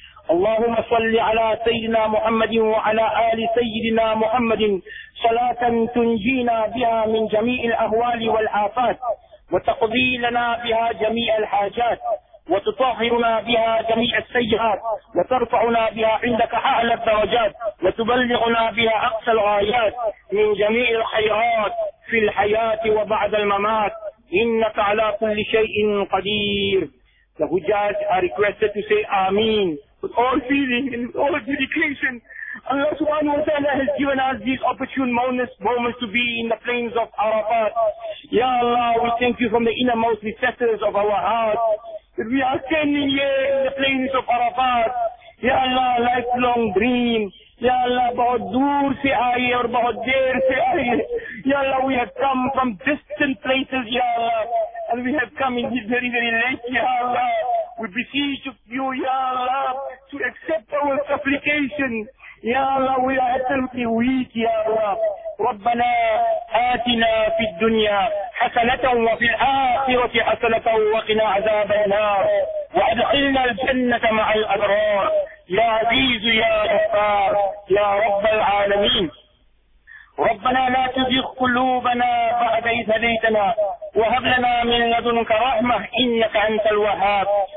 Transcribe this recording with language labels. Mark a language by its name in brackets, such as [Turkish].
[Arabic] اللهم صل على سيدنا محمد وعلى آل سيدنا محمد صلاة تنجينا بها من جميع الأهوال والآفات، وتقضي لنا بها جميع الحاجات، وتطهرنا بها جميع السيئات، وترفعنا بها عندك أعلى الدرجات، وتبلغنا بها أقصى الغايات من جميع الخيرات في الحياة وبعد الممات، إنك على كل شيء قدير. [English] The Hujjaj are requested to say Ameen with all feeling and with all dedication. Allah subhanahu wa ta'ala has given us these opportune moments to be in the plains of Arafat. Ya Allah, we thank you from the innermost recesses of our hearts that we are standing here in the plains of Arafat. [Hindi] Ya Allah, [English] lifelong dream. [Hindi] Ya Allah, bahut dur se aaye aur bahut der se aaye. [English] Ya Allah, we have come from distant places, Ya Allah. And we have come in this very, very late, Ya Allah. We beseech of you, Ya Allah, to accept our supplication. Ya Allah, we are absolutely weak, Ya Allah. [Arabic] ربنا آتنا في الدنيا حسنة وفي الآخرة حسنة وقنا عذاب النار وأدخلنا الجنة مع الأبرار يا عزيز يا غفار يا رب العالمين. ربنا لا تزغ قلوبنا بعد إذ هديتنا وهب لنا من لدنك رحمة إنك أنت الوهاب.